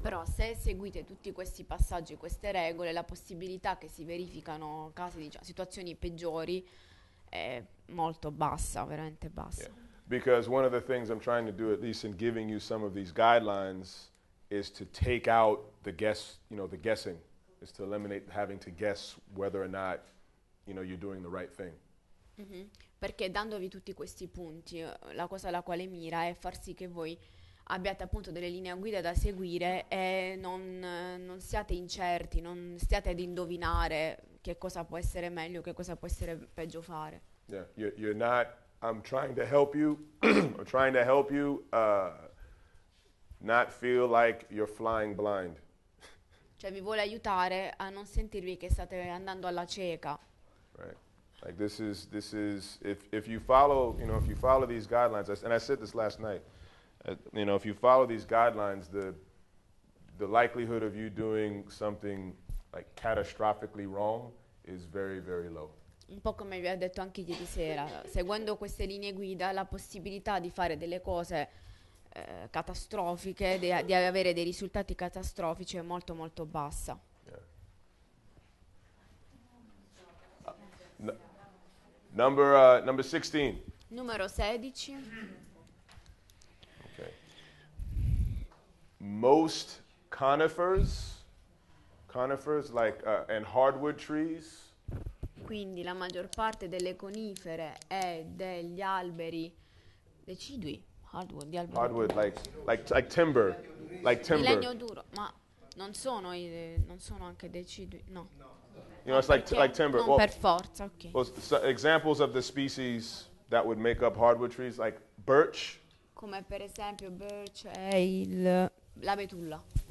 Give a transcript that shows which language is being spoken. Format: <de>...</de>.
<it>Però se seguite tutti questi passaggi, queste regole, la possibilità che si verificano casi, diciamo, situazioni peggiori è molto bassa, veramente bassa.</it> <en>Yeah. Because one of the things I'm trying to do, at least in giving you some of these guidelines, is to take out the guess, you know, the guessing, is to eliminate having to guess whether or not, you know, you're doing the right thing. Mm-hmm.</en> <it>Perché dandovi tutti questi punti, la cosa alla quale mira è far sì che voi abbiate appunto delle linee guida da seguire e non siate incerti, non stiate ad indovinare che cosa può essere meglio, che cosa può essere peggio fare.</it> <en>Yeah, you're not, I'm trying to help you, I'm trying to help you not feel like you're flying blind.</en> <it>Cioè vi vuole aiutare a non sentirvi che state andando alla cieca.</it> <en>Right. Like this is if you follow, you know, if you follow these guidelines, and I said this last night, you know, if you follow these guidelines, the likelihood of you doing something like catastrophically wrong is very, very low.</en> <it>Un po' come vi ho detto anche ieri sera, seguendo queste linee guida, la possibilità di fare delle cose catastrofiche, di avere dei risultati catastrofici è molto, molto bassa.</it> <en>Number 16.</en> <it>Numero 16.</it> <en>Okay. Most conifers like and hardwood trees.</en> <it>Quindi la maggior parte delle conifere e degli alberi decidui, hardwood, di alberi.</it> <en>Hardwood like timber.</en> <it>Il legno duro, ma non sono anche decidui, no.</it> <en>You know, it's like timber.</en> <it>Non, well, per forza, okay.</it> <en>Well, so examples of the species that would make up hardwood trees, like birch.</en> <it>Come per esempio birch è il la betulla.</it>